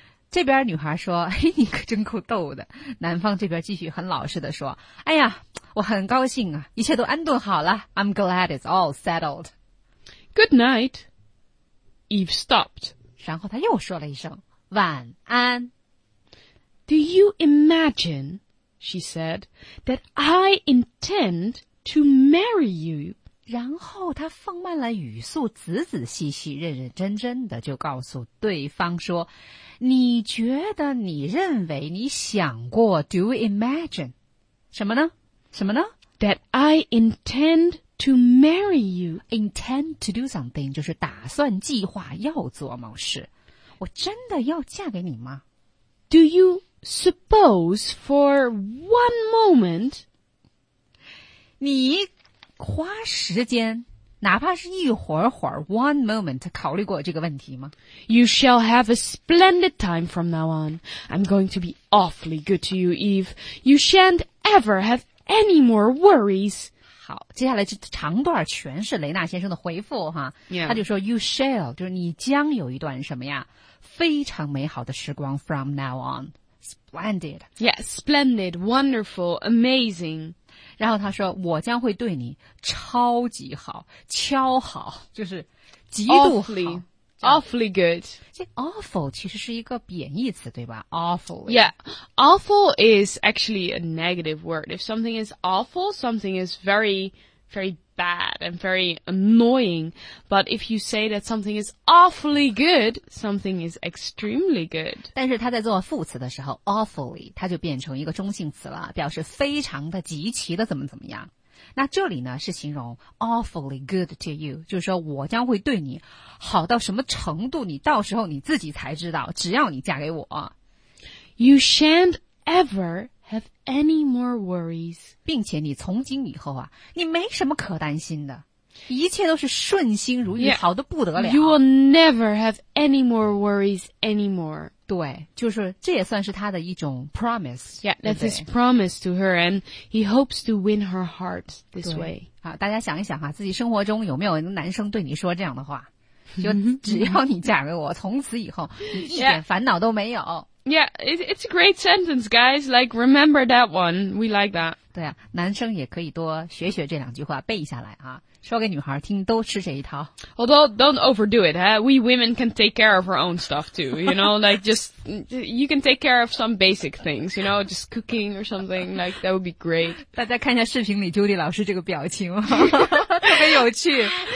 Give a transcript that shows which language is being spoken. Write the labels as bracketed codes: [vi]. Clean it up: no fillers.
[zh] 这边女孩说嘿，你可真够逗的。男方这边继续很老实地说哎呀我很高兴啊一切都安顿好了。 [en] I'm glad it's all settled. Good night. Eve stopped. [zh] 然后她又说了一声晚安。 [en] Do you imagine, she said, that I intend to marry you? [zh] 然后她放慢了语速仔仔细细认认真真地就告诉对方说你觉得你认为你想过 [en] Do you imagine [zh] 什么呢什么呢 [en] That I intend to marry you Intend to do something [zh] 就是打算计划要做某事我真的要嫁给你吗 [en] Do you suppose for one moment [zh] 你花时间哪怕是一会儿会儿 [en] one moment [zh] 考虑过这个问题吗 [en] You shall have a splendid time from now on. I'm going to be awfully good to you, Eve. You shan't ever have any more worries. [zh] 好，接下来这长段全是雷纳先生的回复哈， [en] yeah. [zh] 他就说 [en] "You shall"， [zh] 就是你将有一段什么呀，非常美好的时光 [en] from now on， [zh] splendid， [en] yes， splendid， wonderful， amazing。 [zh] 然后他说我将会对你超级好，超好，就是极度好 [en] awfully, ，awfully good。 [zh] 这 awful 其实是一个贬义词对吧 ？awful， [en] yeah， awful is actually a negative word. If something is awful, something is very, very bad and very annoying. But if you say that something is awfully good, something is extremely good. [zh] 但是他在做副词的时候 ，awfully 它就变成一个中性词了，表示非常的、极其的怎么怎么样。那这里呢是形容 [en] awfully good to you， [zh] 就是说我将会对你好到什么程度，你到时候你自己才知道。只要你嫁给我 [en] ，You shan't ever have any more worries， [zh] 并且你从今以后啊，你没什么可担心的，一切都是顺心如意， [en] yeah. [zh] 好得不得了。 [en] You will never have any more worries anymore。 [zh] 对，就是这也算是他的一种 promise。 [en] Yeah, that's his promise to her, and he hopes to win her heart this way. [zh] 啊，大家想一想哈，自己生活中有没有男生对你说这样的话？就只要你嫁给我，从此以后你一点烦恼都没有。 [en] Yeah, it's a great sentence, guys. Like, remember that one. We like that. [zh] 对啊，男生也可以多学学这两句话，背下来啊。说给女孩听都吃这一套。 [en] Although, don't overdo it, huh? We women can take care of our own stuff too, you know? Like, just, you can take care of some basic things, you know? Just cooking or something, like, that would be great. [zh] 大家看一下视频里 Judy 老师这个表情特别有趣。